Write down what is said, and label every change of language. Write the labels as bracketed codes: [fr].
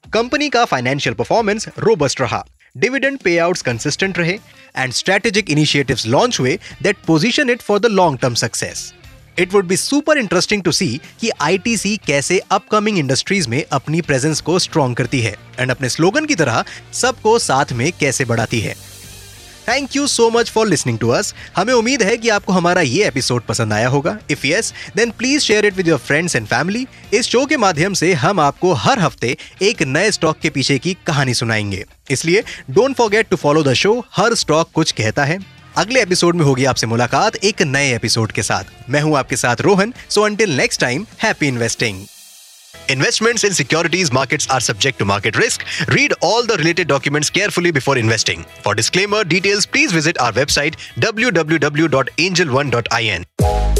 [hi] Company का financial performance robust रहा, dividend पेआउट्स consistent रहे एंड स्ट्रेटेजिक इनिशिएटिव्स लॉन्च हुए [en] That position it for the long term success. It would be super interesting to see [hi] कि ITC कैसे upcoming industries में अपनी presence को strong करती है एंड अपने स्लोगन की तरह सबको साथ में कैसे बढ़ाती है। [en] Thank you so much for listening to us. [hi] हमें उम्मीद है कि आपको हमारा ये एपिसोड पसंद आया होगा। [en] If yes, then please share it with your friends and family. [hi] इस शो के माध्यम से हम आपको हर हफ्ते एक नए स्टॉक के पीछे की कहानी सुनाएंगे। [en] इसलिए don't forget to follow the show. [hi] हर stock कुछ कहता है। अगले एपिसोड में होगी आपसे मुलाकात एक नए एपिसोड के साथ। मैं हूँ आपके साथ Rohan. [en] So until next time, happy investing. Investments in securities markets are subject to market risk. Read all the related documents carefully before investing. For disclaimer details, please visit our website www.angelone.in.